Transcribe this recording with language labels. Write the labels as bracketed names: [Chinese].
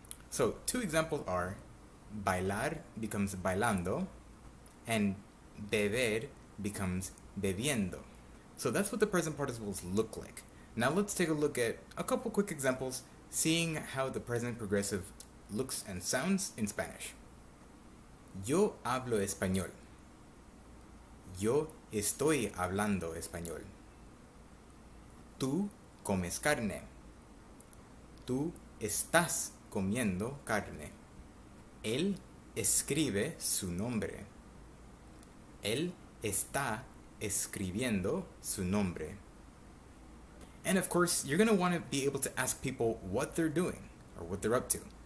[English] So two examples are bailar becomes bailando and beber becomes bebiendo. So that's what the present participles look like. Now let's take a look at a couple quick examples, seeing how the present progressive looks and sounds in Spanish. [Spanish] Yo hablo español. Yo estoy hablando español. Tú comes carne. Tú estás comiendo carne. Él escribe su nombre. Él está escribiendo su nombre. [English] And of course, you're going to want to be able to ask people what they're doing or what they're up to.